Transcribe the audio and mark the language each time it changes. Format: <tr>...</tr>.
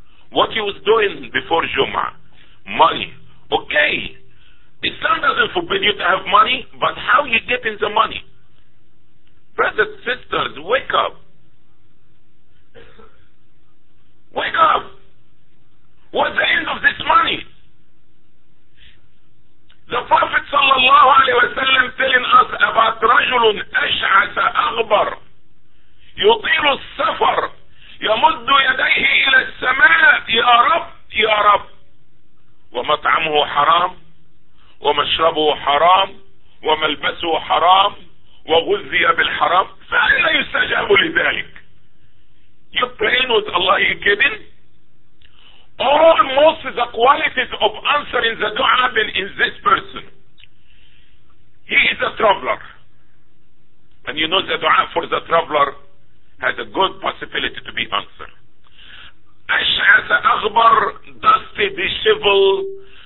<en>What you was doing before Jummah? Money. Okay. Islam doesn't forbid you to have money, but how you getting the money? Brothers, sisters, wake up. Wake up. What's the end of this money?</en> <ar>The Prophet sallallahu alayhi wa sallam telling us about رجل أشعث أغبر يطيل السفر يمد يديه إلى السماء يا رب يا رب ومطعمه حرام ومشربه حرام وملبسه حرام وغذي بالحرام فأين يستجاب لذلك؟</ar> <en>You're playing with Allah, you're kidding? Almost the qualities of answering the dua have been in this person. He is a traveler. And you know the dua for the traveler has a good possibility to be answered. Ash'ath aghbar, dusty, disheveled.</en>